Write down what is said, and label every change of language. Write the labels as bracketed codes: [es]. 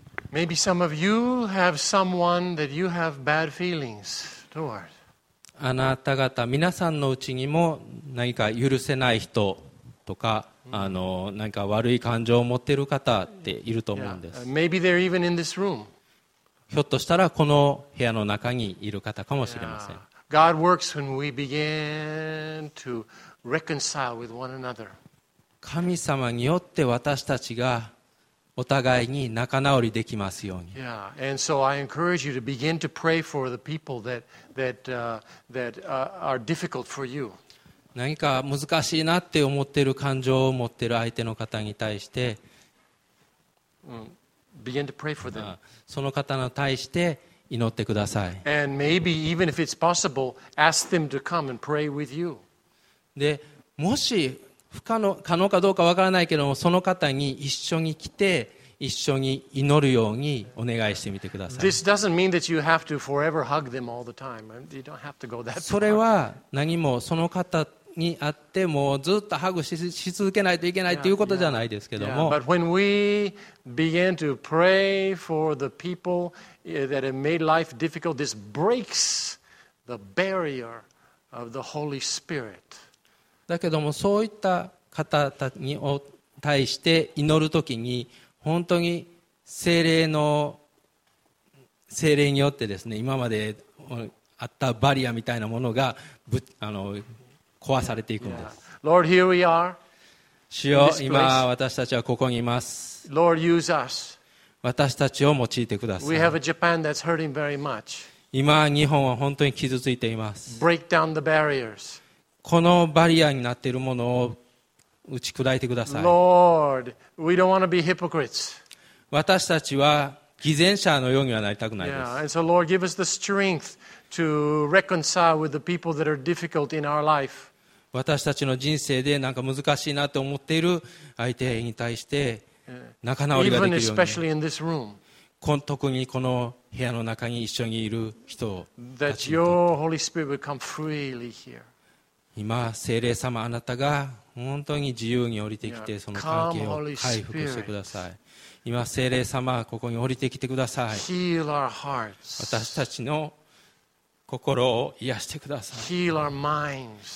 [en] Maybe some of you have someone that you have bad feelings towards. [ja] あなた方皆さんのうちにも何か許せない人とか、何か悪い感情を持っている方っていると思うんです。 [en] Yeah. Maybe they're even in this room. [ja] ひょっとしたらこの部屋の中にいる方かもしれません。 [en] Yeah. God works when we begin to reconcile with one another. [ja] 神様によって私たちがお互いに仲直りできますように。 [en] Yeah, and so I encourage you to begin to pray for the people that are difficult for you. [ja] 何か難しいなって思ってる感情を持ってる相手の方に対して、 [en] begin to pray for them. [ja] その方に対して祈ってください。 [en] And maybe even if it's possible, ask them to come and pray with you. [ja] で、もし可能かどうかわからないけども、その方に一緒に来て一緒に祈るようにお願いしてみてください。 [en] This doesn't mean that you have to forever hug them all the time. You don't have to go that far. [ja] それは何もその方に会ってもうずっとハグし続けないといけないということじゃないですけども。 [en] But when we begin to pray for the people that have made life difficult, this breaks the barrier of the Holy Spirit. [ja] だけどもそういった方たちに対して祈るときに本当に精霊によってですね今まであったバリアみたいなものが壊されていくんです。 [en] Yeah. Lord, here we are. [ja] 主よ、今私たちはここにいます。 [en] Lord, use us. [ja] 私たちを用いてください。 [en] We have a Japan that's hurting very much. [ja] 今日本は本当に傷ついています。 [en] Break down the barriers. [ja] このバリアになっているものを打ち砕いてください。 [en] Lord, we don't want to be hypocrites. [ja] 私たちは偽善者のようにはなりたくないです。 [en] Yeah, and so Lord, give us the strength to reconcile with the people that are difficult in our life. [ja] 私たちの人生でなんか難しいなと思っている相手に対して仲直りができるように。 [en] Even especially in this room. [ja] 特にこの部屋の中に一緒にいる人たち。 [en] That your Holy Spirit would come freely here. [ja] 今聖霊様あなたが本当に自由に降りてきてその関係を回復してください。今聖霊様ここに降りてきてください。私たちの心を癒してください。